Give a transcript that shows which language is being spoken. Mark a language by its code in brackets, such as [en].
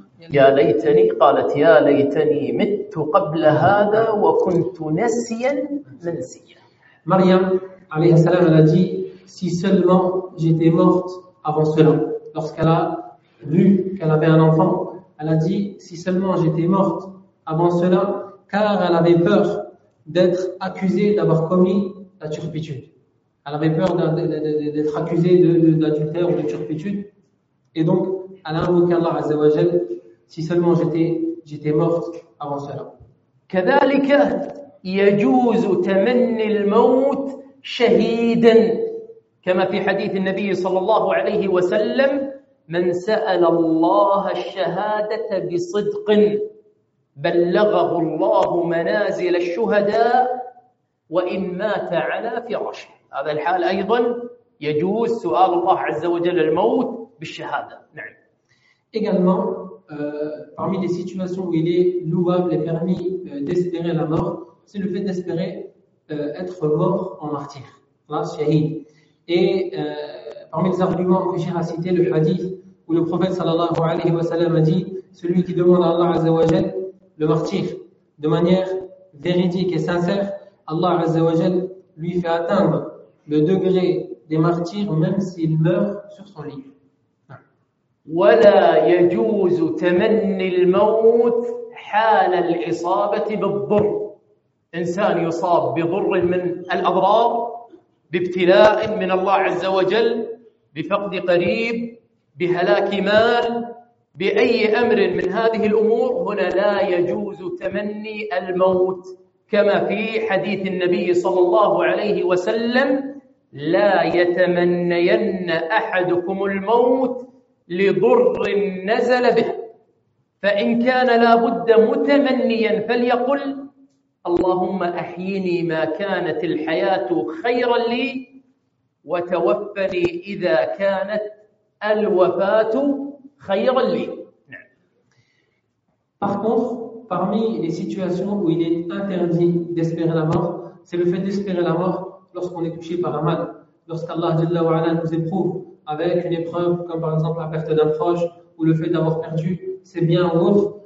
[ar] Ya laytani, قالت يا ليتني مت قبل هذا وكنت نسيا منسيا. [fr] Maryam, [ar] عليه السلام, [fr] elle a dit si seulement j'étais morte avant cela. Lorsqu'elle a vu qu'elle avait un enfant, elle a dit si seulement j'étais morte avant cela, car elle avait peur d'être accusée d'avoir commis la turpitude. Elle avait peur d'être accusée d'adultère ou de turpitude. Et donc, elle a invoqué Allah Azza wa Jal, si seulement j'étais morte avant cela. [ar] كذلك يجوز تمني الموت شهيدا كما في حديث النبي صلى الله عليه وسلم من سأل الله الشهادة بصدق بلغه الله منازل الشهداء وإن مات على فراشه. هذا الحال أيضا يجوز سؤال الله عز وجل الموت بالشهادة. نعم. [fr] Également, parmi les situations où il est louable et permis d'espérer la mort, c'est le fait d'espérer être mort en martyr, la shahid. Et parmi les arguments que j'ai cité, le hadith où le prophète sallallahu alayhi wa sallam a dit celui qui demande à Allah azza wa jal le martyr de manière véridique et sincère, Allah azza wa jal lui fait atteindre le degré des martyrs même s'il meurt sur son lit. [ar] ولا يجوز تمني الموت حال الإصابة بالضر. إنسان يصاب بضر من الأضرار، بابتلاء من الله عز وجل، بفقد قريب، بهلاك مال، بأي أمر من هذه الأمور، هنا لا يجوز تمني الموت، كما في حديث النبي صلى الله عليه وسلم لا يتمنين أحدكم الموت لضر نزل به، فإن كان لابد متمنيا فليقل اللهم أحيني ما كانت الحياة خيرا لي وتوفني إذا كانت الوفاة خيرا لي. [fr] Par contre, parmi les situations où il est interdit d'espérer la mort, c'est le fait d'espérer la mort lorsqu'on est touché par un mal, lorsqu'Allah Jalla wa Ala nous éprouve avec une épreuve comme par exemple la perte d'un proche ou le fait d'avoir perdu ses biens ou autre.